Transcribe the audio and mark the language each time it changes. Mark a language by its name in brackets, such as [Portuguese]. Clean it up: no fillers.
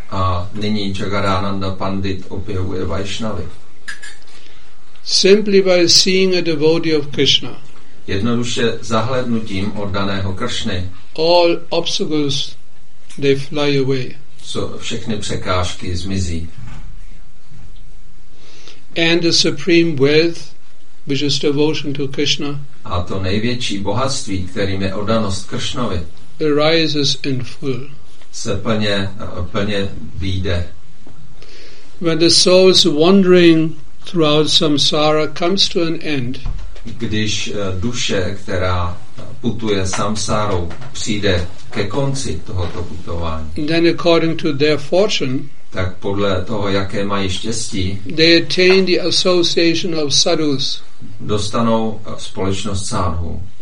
[Czech] A nyní Jagadananda Pandit objevuje Vaishnavy. [English] Simply by seeing a devotee of Krishna. [Czech] Jednoduše zahlednutím oddaného Kršny. [English] All obstacles they fly away. [Czech] So všechny překážky zmizí. [English] And the supreme wealth, which is devotion to Krishna. [Czech] A to největší bohatství, kterým je oddanost Kršnovi. [English] Arises in full. [Czech] Se plně vyjde. [English] When the soul's wandering throughout samsara comes to an end. [Czech] Když duše, která putuje samsárou, přijde ke konci tohoto putování. Then according to their fortune, tak podle toho, jaké mají štěstí, [English] they attain the association of sadhus. [Czech] Dostanou společnost sadhu.